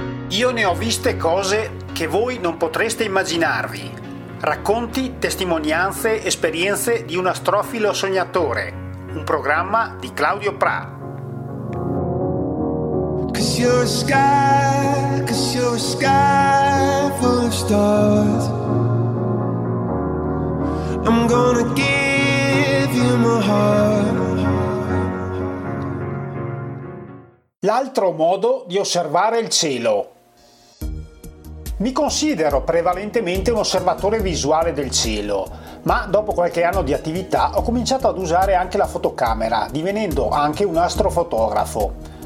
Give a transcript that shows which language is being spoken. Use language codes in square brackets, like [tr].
[it] Io ne ho viste cose che voi non potreste immaginarvi. Racconti, testimonianze, esperienze di un astrofilo sognatore. Un programma di Claudio Pra. [en] Cause you're a sky, cause you're a sky full of stars. I'm gonna give you my heart. [it] L'altro modo di osservare il cielo. Mi considero prevalentemente un osservatore visuale del cielo, ma dopo qualche anno di attività ho cominciato ad usare anche la fotocamera, divenendo anche un astrofotografo.